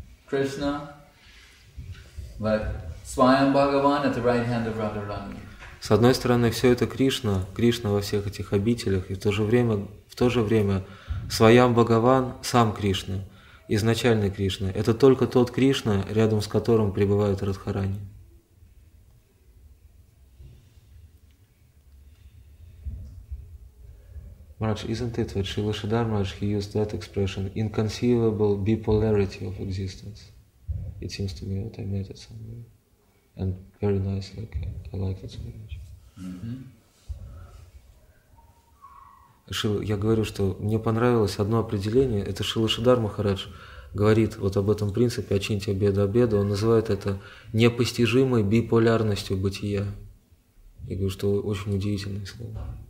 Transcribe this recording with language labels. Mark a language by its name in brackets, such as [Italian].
[English] Krishna, but Swayam Bhagavan at the right hand of Radharani. [Russian] С одной стороны, все это Кришна, Кришна во всех этих обителях, и в то же время Свайам Бхагаван, сам Кришна, изначальный Кришна. Это только тот Кришна, рядом с которым пребывает Радхарани. [English] Maharaj, isn't it that Srila Siddhar Maharaj, he used that expression, inconceivable bipolarity of existence. It seems to me that I made it somewhere. And very nice, like I like it so much. [Russian] Я говорю, что мне понравилось одно определение. Это Шрила Шридхар Махарадж говорит вот об этом принципе Ачинтья Беда Беда. Он называет это непостижимой биполярностью бытия. Я говорю, что очень удивительное слово.